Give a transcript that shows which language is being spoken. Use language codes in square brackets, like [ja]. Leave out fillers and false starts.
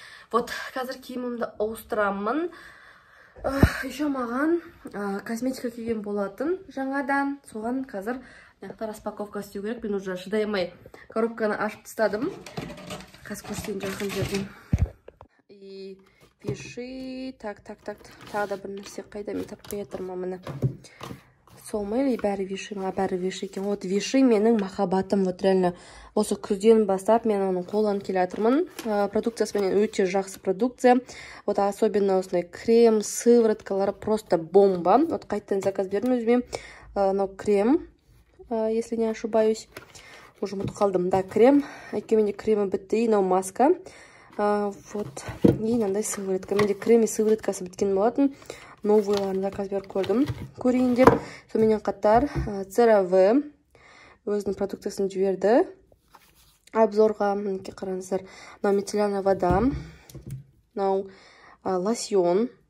[kk] Вот қазір киімімді ауыстырамын. Еще маған косметика келген болатын жаңадан, соған қазір мынаяқта распаковка істеу керек. Мен уже шыдай алмай коробканы ашып тастадым. Қазір көрсетейін жақын жерден. И пиши, так, тағы да бір нәрсе қайда, мен тап қоятырмын мұны. Сол ма или бәрі виши, маға бәрі виши екен. Вот виши менің махаббатым, вот реально. Осы күзден бастап мен оның қолданып келатырмын. Продукциясы менен өте жақсы продукция. Вот особенно осындай крем, сывороткалары просто бомба. Вот қайтадан заказ бердім өзіме. [ru] Но крем, если не ошибаюсь. [kk] Уже ұмытып қалдым. Да, крем. Әйткені менде кремі бітті, но маска. Вот, и мынандай сыворотка. Менде крем и сывороткасы біткен болатын. Новыйларын заказ беріп көрдім. Көрейін деп. Соменен қатар CeraVe өзінің продукциясын жіберді обзорға. Мінекей қараңыздар. Мынау мицеллярная вода. Мынау лосьон.